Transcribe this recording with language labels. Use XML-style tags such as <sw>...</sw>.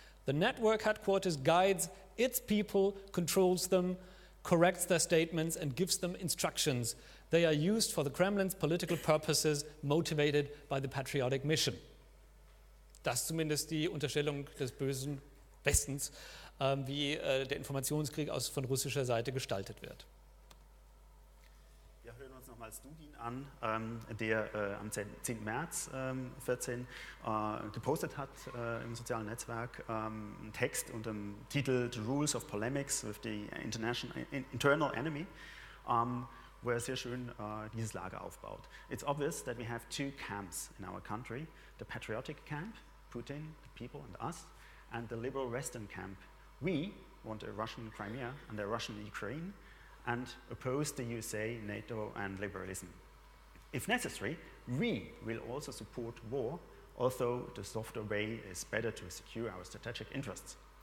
<en>The network headquarters guides its people, controls them, corrects their statements and gives them instructions. They are used for the Kremlin's political purposes, motivated by the patriotic mission.</en> <de>Das ist zumindest die Unterstellung des bösen Westens, wie der Informationskrieg von russischer Seite gestaltet wird. Mal als Dugin an, der am 10. März 2014 gepostet hat im sozialen Netzwerk einen Text unter dem Titel The Rules of Polemics with the Internal Enemy, wo er sehr schön dieses Lager aufbaut.</de> <en>It's obvious that we have two camps in our country, the patriotic camp, Putin, the people and us, and the liberal Western camp. We want a Russian Crimea and a Russian Ukraine, and oppose the USA, NATO, and liberalism. If necessary, we will also support war, although the softer way is better to secure our strategic interests.</en>